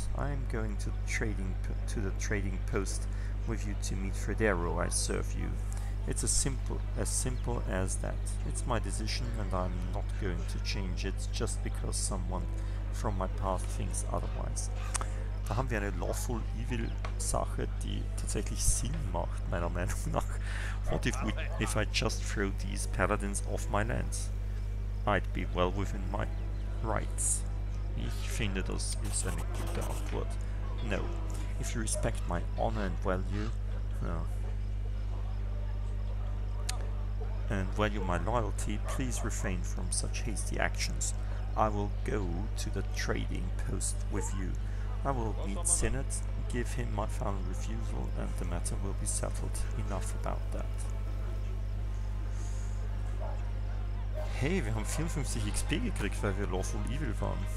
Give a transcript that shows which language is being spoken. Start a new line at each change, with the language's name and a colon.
English: I am going to the trading post with you to meet Federer. I serve you. It's as simple as that. It's my decision and I'm not going to change it just because someone from my path thinks otherwise.
German: Da haben wir eine lawful evil Sache, die tatsächlich Sinn macht, meiner Meinung nach.
English: What if I just throw these paladins off my lands? I'd be well within my rights.
German: Ich finde, das ist eine gute Antwort.
English: No. If you respect my honor and value, and value my loyalty, please refrain from such hasty actions. I will go to the trading post with you. I will meet Sinnott, give him my final refusal, and the matter will be settled. Enough about that.
German: Hey, wir haben 54 XP gekriegt, weil wir Lawful Evil waren.